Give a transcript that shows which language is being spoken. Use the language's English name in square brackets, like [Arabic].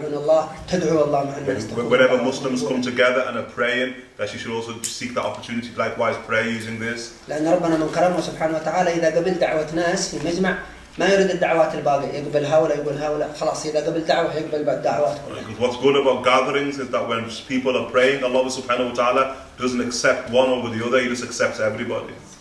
[English] Whenever Muslims come together and are praying, that she should also seek the opportunity to likewise pray using this. [Arabic] ما يريد الدعوات الباقي يقبل هؤلاء يقول هؤلاء خلاص إذا قبل دعوة يقبل بعد دعوات. [English] What's good about gatherings is that when people are praying, Allah Subhanahu wa Taala doesn't accept one over the other; He just accepts everybody.